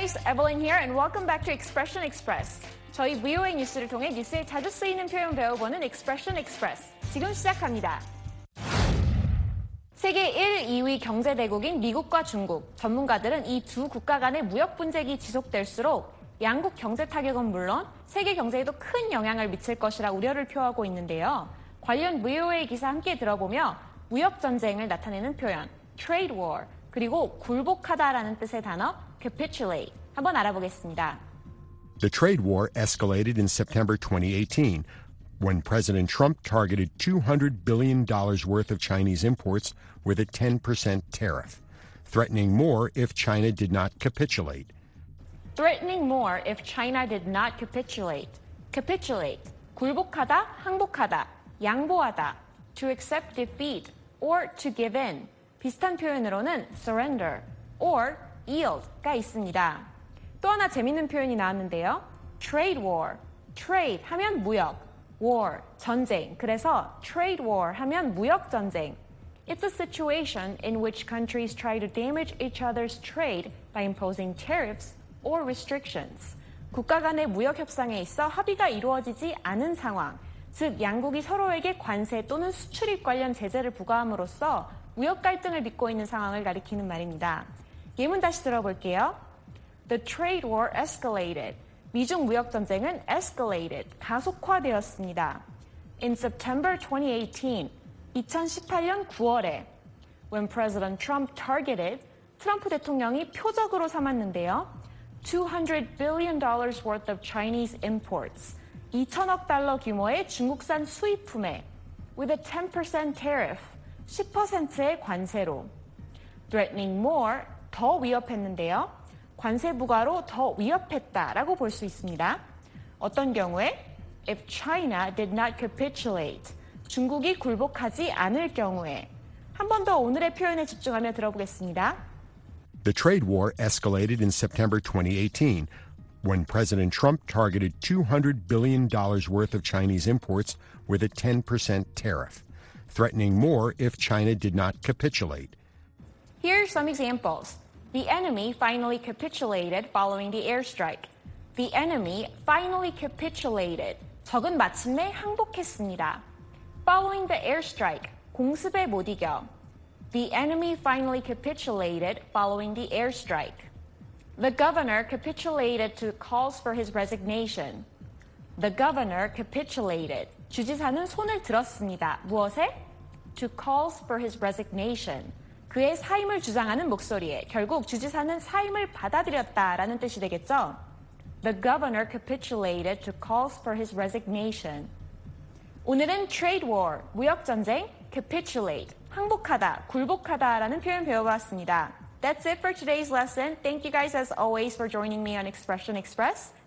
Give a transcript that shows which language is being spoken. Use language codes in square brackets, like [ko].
[en] Evelyn here and welcome back to Expression Express. [ko] 저희 VOA 뉴스를 통해 뉴스에 자주 쓰이는 표현 배워보는 Expression Express. 지금 시작합니다. 세계 1, 2위 경제대국인 미국과 중국, 전문가들은 이 두 국가 간의 무역 분쟁이 지속될수록 양국 경제 타격은 물론 세계 경제에도 큰 영향을 미칠 것이라 우려를 표하고 있는데요. 관련 VOA 기사 함께 들어보며 무역 전쟁을 나타내는 표현, Trade War, 그리고 굴복하다라는 뜻의 단어, Capitulate. 한번 알아보겠습니다. [en] The trade war escalated in September 2018 when President Trump targeted $200 billion worth of Chinese imports with a 10% tariff, threatening more if China did not capitulate. Threatening more if China did not capitulate. Capitulate. [ko] 굴복하다, 항복하다, 양보하다. [en] To accept defeat or to give in. [ko] 비슷한 표현으로는 [en] surrender or yield [ko] 가 있습니다. 또 하나 재밌는 표현이 나왔는데요. [en] Trade war. Trade [ko] 하면 무역. [en] War, [ko] 전쟁. 그래서 trade war 하면 무역 전쟁. [en] It's a situation in which countries try to damage each other's trade by imposing tariffs or restrictions. [ko] 국가 간의 무역 협상에 있어 합의가 이루어지지 않은 상황. 즉, 양국이 서로에게 관세 또는 수출입 관련 제재를 부과함으로써 무역 갈등을 빚고 있는 상황을 가리키는 말입니다. 예문 다시 들어볼게요. [en] The trade war escalated. [ko] 미중 무역 전쟁은 escalated, 가속화되었습니다. [en] In September 2018, [ko] 2018년 9월에 [en] when President Trump targeted, [ko] 트럼프 대통령이 표적으로 삼았는데요. [en] $200 billion worth of Chinese imports. [ko] 2천억 달러 규모의 중국산 수입품에 [en] with a 10% tariff, [ko] 10%의 관세로 [en] threatening more, [ko] 더 위협했는데요. 관세 부과로 더 위협했다라고 볼 수 있습니다. 어떤 경우에? [en] If China did not capitulate, [ko] 중국이 굴복하지 않을 경우에. 한 번 더 오늘의 표현에 집중하며 들어보겠습니다. [en] The trade war escalated in September 2018 when President Trump targeted $200 billion worth of Chinese imports with a 10% tariff, threatening more if China did not capitulate. Here are some examples. The enemy finally capitulated following the airstrike. The enemy finally capitulated. [ko] 적은 마침내 항복했습니다. [en] Following the airstrike, [ko] 공습에 못 이겨. [en] The enemy finally capitulated following the airstrike. The governor capitulated to calls for his resignation. The governor capitulated. [ko] 주지사는 손을 들었습니다. 무엇에? [en] To calls for his resignation. [ko] 그의 사임을 주장하는 목소리에 결국 주지사는 사임을 받아들였다라는 뜻이 되겠죠? [en] The governor capitulated to calls for his resignation. [ko] 오늘은 trade war, 무역전쟁, capitulate, 항복하다, 굴복하다라는 표현 배워봤습니다. [en] That's it for today's lesson. Thank you guys as always for joining me on Expression Express.